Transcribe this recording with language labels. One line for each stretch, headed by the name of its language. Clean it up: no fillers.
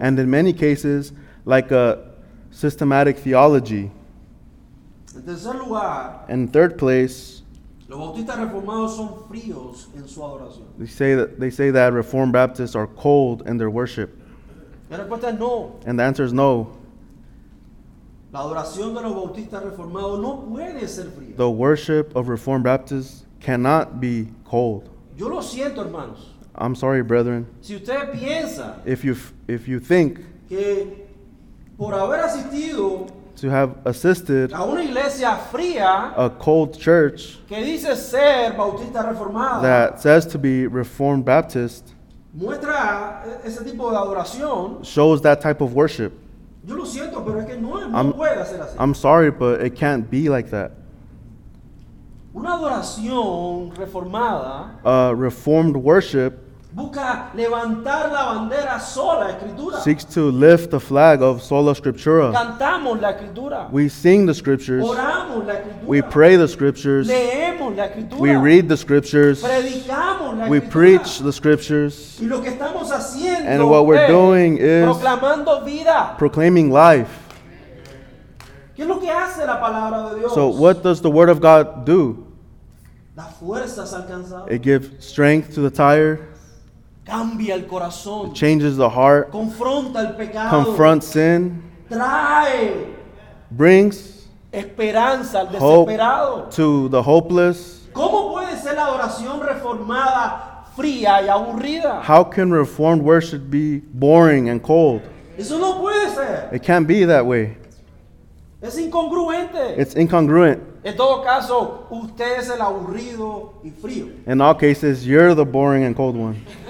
English: And in many cases, like a systematic theology.
Spanish: En tercer lugar.
English: In third place.
Spanish: Los bautistas reformados son fríos en su adoración.
English: They say that Reformed Baptists are cold in their worship.
Spanish: La respuesta es no.
English: And the answer is no.
Spanish: La adoración de los bautistas reformados no puede ser fría.
English: The worship of Reformed Baptists cannot be cold.
Spanish: Yo lo siento, hermanos.
English: I'm sorry, brethren.
Spanish: Si usted piensa,
English: if you think
Spanish: que por haber asistido,
English: to have assisted
Spanish: a una iglesia fría,
English: a cold church
Spanish: que dice ser bautista reformada,
English: that says to be Reformed Baptist,
Spanish: muestra ese tipo de adoración,
English: shows that type of worship.
Spanish: Yo lo siento, pero es que no puede ser así.
English: I'm sorry, but it can't be like that.
Spanish: Una adoración reformada,
English: a Reformed worship,
Spanish: busca levantar la bandera sola escritura,
English: seeks to lift the flag of sola scriptura.
Spanish: Cantamos la escritura.
English: We sing the scriptures.
Spanish: Oramos la escritura.
English: We pray the scriptures.
Spanish: Leemos la escritura.
English: We read the scriptures.
Spanish: Predicamos la escritura.
English: We preach the scriptures.
Spanish: Y lo que estamos haciendo,
English: and what we're doing is
Spanish: proclamando vida,
English: proclaiming life.
Spanish: ¿Qué es lo que hace la palabra de Dios?
English: So what does the word of God do?
Spanish: Da fuerzas al cansado.
English: It gives strength to the tired.
Spanish: Cambia el corazón.
English: It changes the heart.
Spanish: Confronta el pecado.
English: Confront sin.
Spanish: Trae.
English: Brings.
Spanish: Esperanza al
English: hope
Spanish: desesperado.
English: To the hopeless.
Spanish: ¿Cómo puede ser la adoración reformada fría y aburrida?
English: How can Reformed worship be boring and cold?
Spanish: Eso no puede ser.
English: It can't be that way.
Spanish: Es incongruente.
English: It's incongruent.
Spanish: En todo caso, usted es el aburrido y frío.
English: In all cases, you're the boring and cold one.